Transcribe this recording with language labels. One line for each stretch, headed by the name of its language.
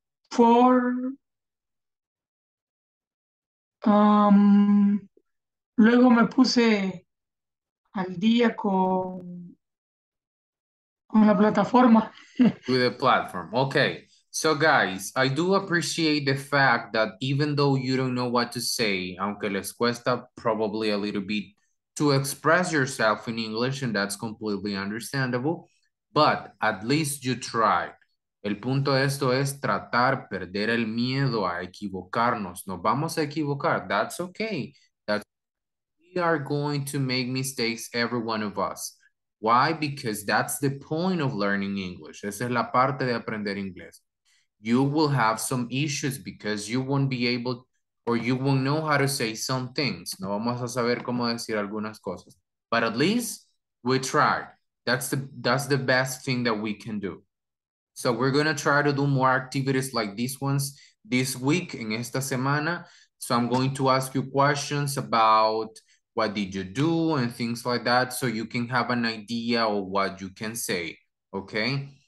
Spanish: For luego me puse al día con la plataforma.
English: With the platform. Okay. So guys, I do appreciate the fact that even though you don't know what to say,
Spanish: aunque les cuesta
English: probably a little bit to express yourself in English, and that's completely understandable, but at least you try.
Spanish: El punto de esto es tratar, perder el miedo a equivocarnos. Nos vamos a equivocar.
English: That's okay. That's, we are going to make mistakes, every one of us. Why? Because that's the point of learning English.
Spanish: Esa es la parte de aprender inglés.
English: You will have some issues because you won't be able, or you won't know how to say some things.
Spanish: No vamos a saber cómo decir algunas cosas.
English: But at least we tried. That's the best thing that we can do. So we're going to try to do more activities like these ones this week,
Spanish: en esta semana.
English: So I'm going to ask you questions about what did you do and things like that, so you can have an idea of what you can say, okay?